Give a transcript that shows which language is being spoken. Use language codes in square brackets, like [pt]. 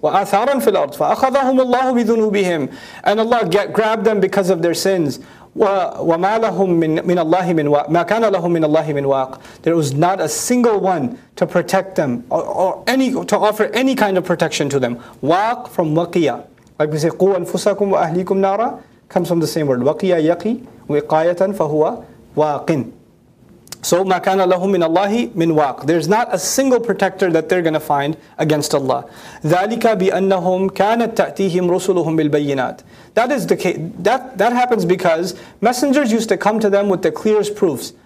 [ar] وَآثَارًا فِي الْأَرْضِ. فَأَخَذَهُمُ اللَّهُ بِذُنُوبِهِمْ. [en] And Allah grabbed them because of their sins. [ar] وَمَا لَهُمْ مِنْ اللَّهِ مِنْ وَاقٍ. مَا كَانَ لَهُمْ مِنْ اللَّهِ مِنْ وَاقٍ. [en] There was not a single one to protect them to offer any kind of protection to them. Waq from waqiya. Like we say, [ar] قُوْ أَنفُسَكُمْ وَأَهْلِيكُمْ نَارًا. [en] Comes from the same word. [ar] وَقِيَ يَقِي وِقَايَةً فَهُوَ وَاقٍ. So, مَا كَانَ لَهُمْ مِنْ اللَّهِ مِنْ وَاقٍ. [en] There's not a single protector that they're going to find against Allah. [ar] ذَلِكَ بِأَنَّهُمْ كَانَتْ تَأْتِيهِمْ رُسُلُهُمْ بِالْبَيِّنَاتِ. [en] That is the case. That happens because messengers used to come to them with the clearest proofs.